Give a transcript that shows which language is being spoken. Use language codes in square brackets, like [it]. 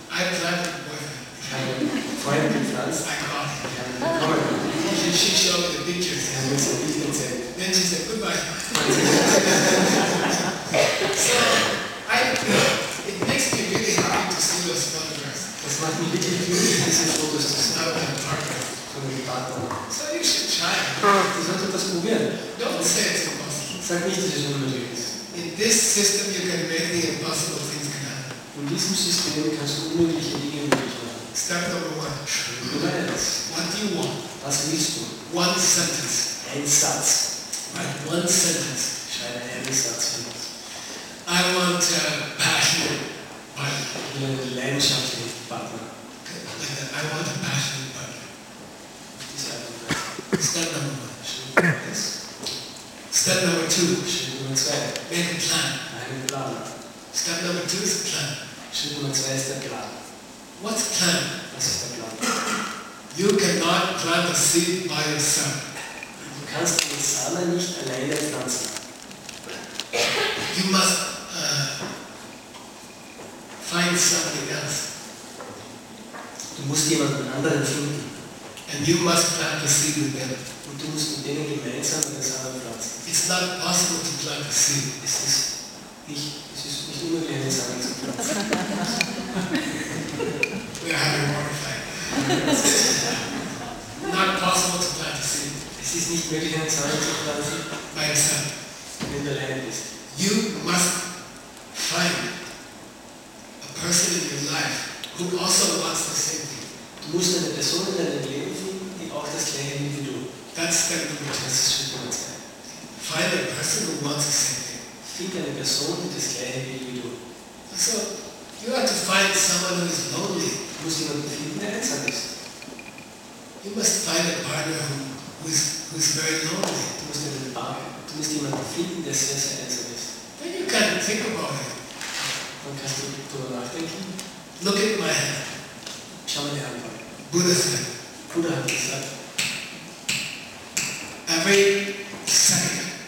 [en] I planted a boyfriend. [de] Ich habe einen Freund gepflanzt. [en] I got him. [de] Ich habe ihn bekommen. [en] She showed me the pictures. [de] Sie haben mir so ein bisschen gezeigt. [en] Then she said, goodbye. So, it makes me really happy to see those photographs. [de] Das macht mich wirklich glücklich, diese Fotos zu sehen. [en] I would have a partner. [de] So, mit dem Partner. [en] So, you should try. [de] Du solltest das probieren. [en] Don't say it's impossible. [de] Sag nicht, dass es unmöglich ist. [en] In this system, you can make the impossible things happen. [de] In diesem System kannst du unmögliche Dinge möglich machen. [en] Step number one. [de] Nummer eins. [en] What do you want? [de] Was willst du? [en] One sentence. [de] Ein Satz. [en] Right. One sentence. [de] Schreibe einen Satz für uns. [en] I want a passionate partner. [de] Ich will einen leidenschaftlichen Partner. [en] I want a passionate partner. [de] Diese Art und [en] Weise. Step number one. [de] Schreibe einen Satz. [en] Step number two. [de] Schreibe Nummer zwei. [en] Make a plan. [de] Einen Plan. [en] Step number two is a plan. [de] Schritt Nummer zwei ist der Plan. [en] What's a plan? [de] Was ist der Plan? [en] You cannot plant a seed by yourself. [de] Du kannst den Samen nicht alleine pflanzen. [en] You must find something else. [de] Du musst jemanden anderen finden. [en] And you must plant a seed with them. [de] Und du musst mit denen gemeinsam den Samen pflanzen. [en] It's not possible to plant a seed. [de] Es ist nicht unmöglich, einen Samen zu pflanzen. [en] We are having more fun. Not possible to plant a seed. [de] Es ist nicht möglich, einen Samen zu pflanzen. [en] By yourself. [de] Wenn du alleine bist. [en] You must find a person in your life who also wants the same thing. [de] Du musst eine Person in deinem Leben finden, die auch das gleiche wie du. [en] That's the number two. [de] Das ist Schritt Nummer zwei. [en] Find a person who wants the same thing. [de] Finde eine Person, die das gleiche wie du. [en] So, you have to find someone who is lonely. [de] Du musst jemanden finden, der einsam ist. [en] You must find a partner who is very lonely. [de] Du musst einen Partner. Du musst jemanden finden, der sehr, sehr einsam ist. [en] Then you can think about it. [de] Dann kannst du darüber nachdenken. [en] Look at my hand. [de] Schau mal die Hand an. [en] Buddha said. [de] Buddha hat gesagt. [en] Every second.